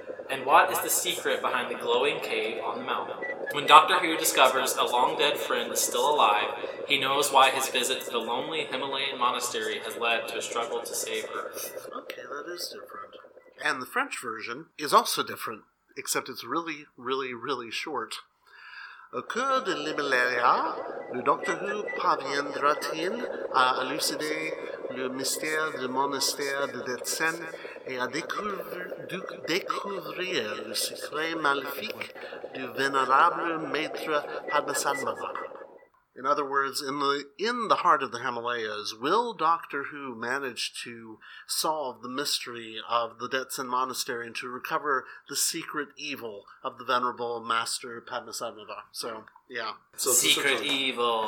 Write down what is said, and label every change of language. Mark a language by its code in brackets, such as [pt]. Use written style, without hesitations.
[en] And what is the secret behind the glowing cave on the mountain? When Doctor Who discovers a long-dead friend is still alive, he knows why his visit to the lonely Himalayan monastery has led to a struggle to save Earth. Okay, that is different. And the French version is also different, except it's really, really, really short. [fr] Au cours de l'Himalaya, Le Doctor Who parviendra-t-il à élucider le mystère du monastère de Detsen et à découvrir le secret maléfique du vénérable maître Padmasambhava? [en] In other words, in the heart of the Himalayas, will Doctor Who manage to solve the mystery of the Detsen Monastery and to recover the secret evil of the venerable master Padmasambhava? So, yeah. So secret evil.